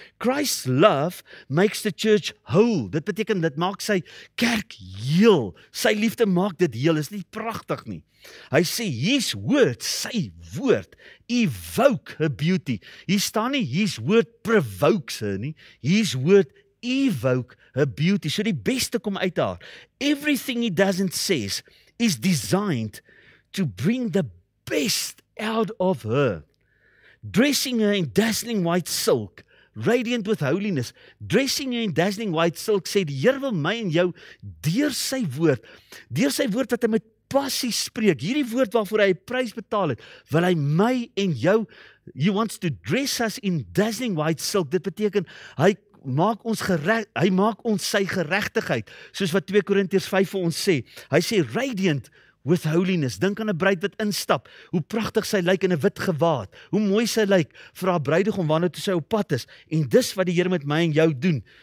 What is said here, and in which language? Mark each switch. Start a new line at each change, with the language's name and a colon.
English: Christ's love makes the church whole.
Afrikaans: Dit beteken, dit maak sy kerk heel. Sy liefde maak dit heel, is nie prachtig nie. Hy sê,
English: his word,
Afrikaans: sy woord,
English: evoke her beauty.
Afrikaans: Hier staan nie,
English: his word provokes her nie. His word evoke her beauty.
Afrikaans: So die beste kom uit haar.
English: Everything he does and says is designed to bring the best out of her. Dressing her in dazzling white silk, radiant with holiness. Dressing her in dazzling white silk,
Afrikaans: sê die Heer wil my en jou, deur sy woord dat hy met passie spreek, hierdie woord waarvoor hy prys betaal het, wil hy my en jou,
English: he wants to dress us in dazzling white silk,
Afrikaans: dit beteken, hy maak ons hy maak ons sy gerechtigheid, soos wat 2 Korintiërs 5 vir ons sê, hy sê
English: radiant with holiness,
Afrikaans: dink aan 'n bruid wat instap, hoe prachtig sy lyk in 'n wit gewaad, hoe mooi sy lyk vir haar bruidegom wanneer toe sy op pad is, en dis wat die Here met my en jou doen,